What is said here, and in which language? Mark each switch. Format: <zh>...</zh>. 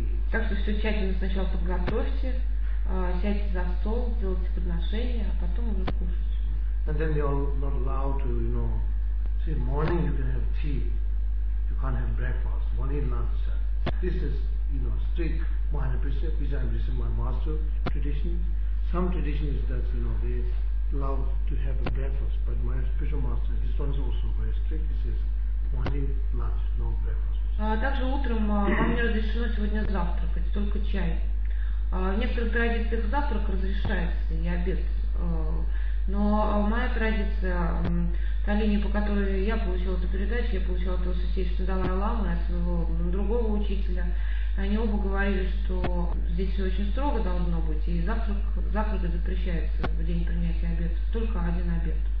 <ru>Так что все тщательно сначала подготовьте, сядьте за стол, сделайте подношение, а потом уже кушайте.</ru> <en>And then you are not allowed to, you know, see, morning you can have tea, you can't have breakfast, only lunch. This is, you know, strict Mahayana, which I received my master tradition. Some tradition is that, you know, they allow to have a breakfast, but my special master, this one is also very strict, he says, only lunch, no breakfast.</en> <ru>Также утром вам не разрешено сегодня завтракать, только чай. В некоторых традициях завтрак разрешается и обед. Но моя традиция, та линия, по которой я получила эту передачу, я получила от святейшего Далай-ламы, от своего другого учителя, они оба говорили, что здесь все очень строго должно быть, и завтрак запрещается в день принятия обета, только один обед.</ru>